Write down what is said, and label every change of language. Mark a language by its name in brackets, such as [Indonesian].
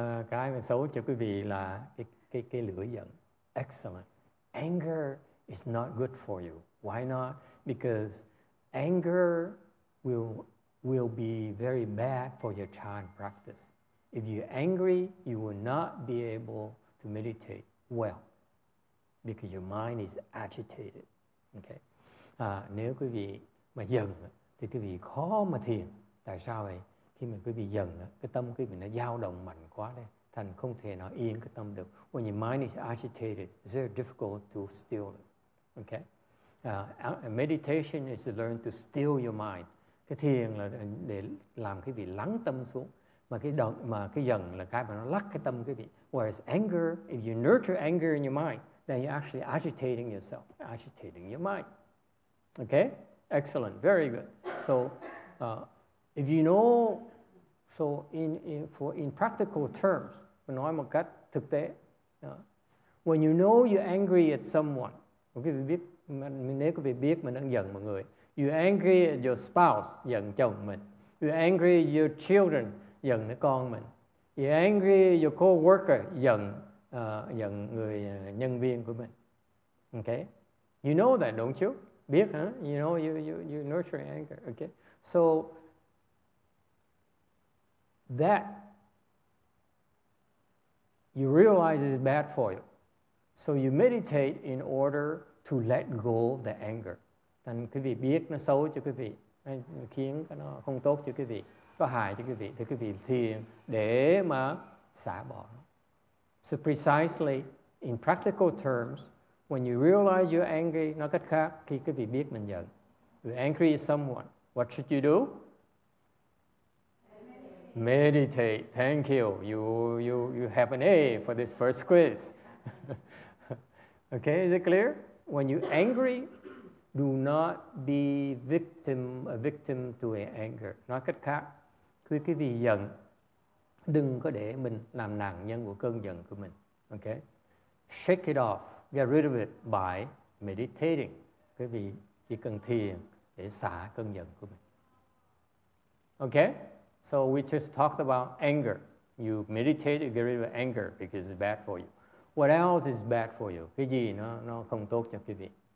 [Vietnamese] Cái mà xấu cho quý vị là cái lửa giận. [English] Excellent. Anger is not good for you. Why not? Because anger will be very bad for your chan practice. If you're angry, you will not be able to meditate well because your mind is agitated. Okay. [Vietnamese] Nếu quý vị mà giận thì quý vị khó mà thiền. Tại sao vậy? Khi mà quý vị giận, cái tâm quý vị nó dao động mạnh quá đấy, thành không thể nào yên cái tâm được. [English] When your mind is agitated, it's very difficult to still it. Okay? Meditation is to learn to still your mind. [Vietnamese] Cái thiền là để làm quý vị lắng tâm xuống. Mà cái giận là cái mà nó lắc cái tâm quý vị. [English] Whereas anger, if you nurture anger in your mind, then you're actually agitating yourself, agitating your mind. Okay? Excellent, very good. So, if you know, so in practical terms, [Vietnamese] nói một cách thực tế, [English] when you know you're angry at someone, okay, [Vietnamese] biết, nếu quý vị biết mình đang giận mọi người, [English] you're angry at your spouse, [Vietnamese] giận chồng mình, [English] you're angry at your children, [Vietnamese] giận con mình, [English] you're angry at your co-worker, [Vietnamese] giận người nhân viên của mình. [English] Okay? You know that, don't you? [Vietnamese] Biết, huh? [English] You know, you nurture anger, okay? So, that you realize is bad for you. So you meditate in order to let go of the anger. [Vietnamese] Thành quý vị biết nó xấu cho quý vị, khiến nó không tốt cho quý vị, có hại cho quý vị, thì quý vị thiền để mà xả bỏ. [English] So precisely, in practical terms, when you realize you're angry, [Vietnamese] nói cách khác, khi quý vị biết mình giận, [English] you're angry at someone, what should you do? Meditate. Thank you. You have an A for this first quiz. Okay, is it clear? When you're angry, do not be a victim to an anger. [Vietnamese] Nói cách khác, khi quý vị giận, đừng có để mình làm nạn nhân của cơn giận của mình. Okay? [English] Shake it off. Get rid of it by meditating. [Vietnamese] Quý vị chỉ cần thiền để xả cơn giận của mình. [English] Okay? So we just talked about anger. You meditate, you get rid of anger because it's bad for you. What else is bad for you? [Vietnamese] Cái gì nó không tốt cho quý vị?